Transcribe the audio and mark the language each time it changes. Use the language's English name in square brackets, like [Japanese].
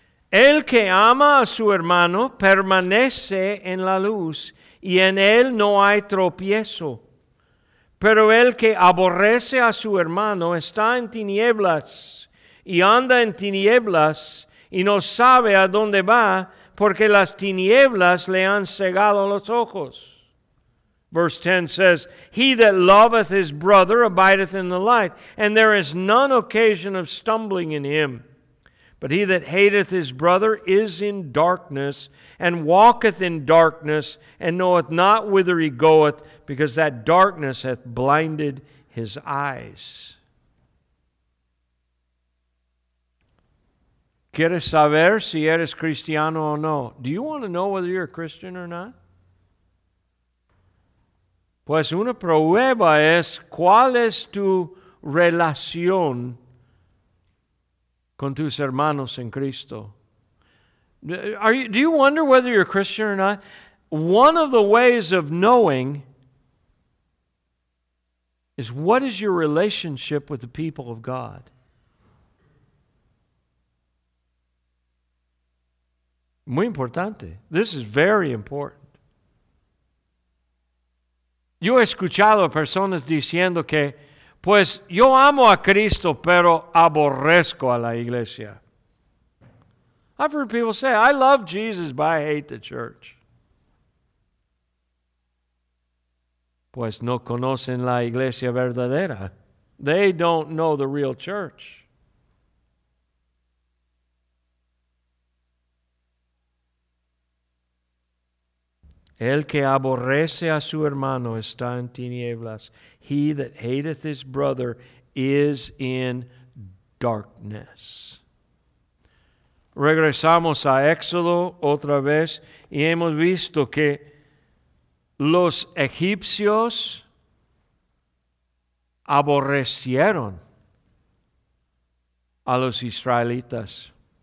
[Spanish] El que ama a su hermano permanece en la luz y en él no hay tropiezo. Pero el que aborrece a su hermano está en tinieblas y anda en tinieblas y no sabe a dónde va porque las tinieblas le han cegado los ojos. [English] Verse 10 says, he that loveth his brother abideth in the light, and there is none occasion of stumbling in him. But he that hateth his brother is in darkness, and walketh in darkness, and knoweth not whither he goeth, because that darkness hath blinded his eyes. [Spanish] ¿Quieres saber si eres cristiano o no? [English] Do you want to know whether you're a Christian or not? [Spanish] Pues una prueba es, ¿cuál es tu relación con tus hermanos en Cristo? [English] Do you wonder whether you're a Christian or not? One of the ways of knowing is, what is your relationship with the people of God? [Spanish] Muy importante. [English] This is very important. [Spanish] Yo he escuchado personas diciendo que, pues yo amo a Cristo, pero aborrezco a la iglesia. [English] I've heard people say, I love Jesus, but I hate the church. [Spanish] Pues no conocen la iglesia verdadera. [English] They don't know the real church. [Spanish] El que aborrece a su hermano está en tinieblas. [English] He that hateth his brother is in darkness. [Spanish] Regresamos a Éxodo otra vez y hemos visto que los egipcios aborrecieron a los israelitas.